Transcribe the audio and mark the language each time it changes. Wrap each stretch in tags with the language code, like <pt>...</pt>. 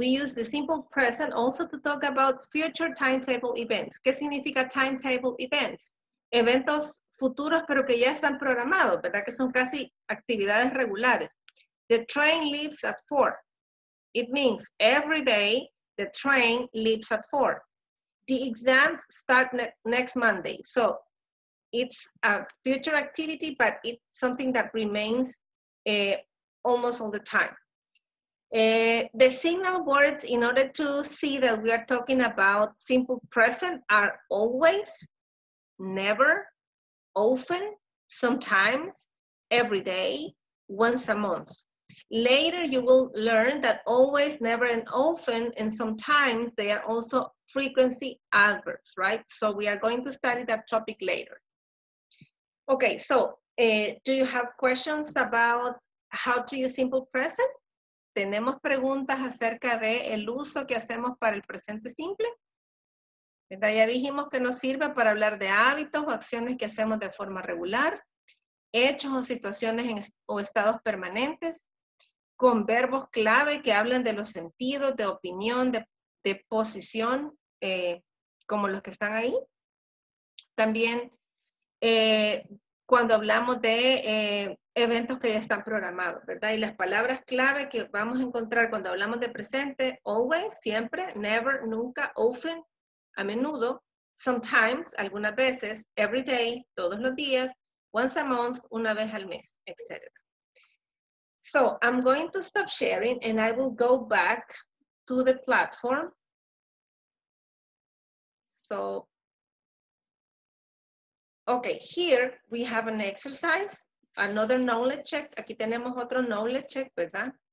<en>We use the simple present also to talk about future timetable events.</en> <es>¿Qué significa timetable events? Eventos futuros, pero que ya están programados, ¿verdad? Que son casi actividades regulares.</es> <en>The train leaves at 4. It means every day the train leaves at 4. The exams start next Monday. So it's a future activity, but it's something that remains almost all the time. The signal words, in order to see that we are talking about simple present, are always, never, often, sometimes, every day, once a month. Later, you will learn that always, never, and often, and sometimes, they are also frequency adverbs, right? So we are going to study that topic later. Okay, so do you have questions about how to use simple present?</en> <es>¿Tenemos preguntas acerca de el uso que hacemos para el presente simple? ¿Verdad? Ya dijimos que nos sirve para hablar de hábitos o acciones que hacemos de forma regular, hechos o situaciones en, o estados permanentes, con verbos clave que hablan de los sentidos, de opinión, de posición, como los que están ahí. También cuando hablamos de eventos que ya están programados, ¿verdad? Y las palabras clave que vamos a encontrar cuando hablamos de presente, always, siempre, never, nunca, often, a menudo, sometimes, algunas veces,</es> <en>every day,</en> <es>todos los días,</es> <en>once a month,</en> <es>una vez al mes, etc.</es> <en>So, I'm going to stop sharing and I will go back to the platform. So, okay, here we have an exercise, another knowledge check.</en> <es>Aquí tenemos otro knowledge check, ¿verdad?</es>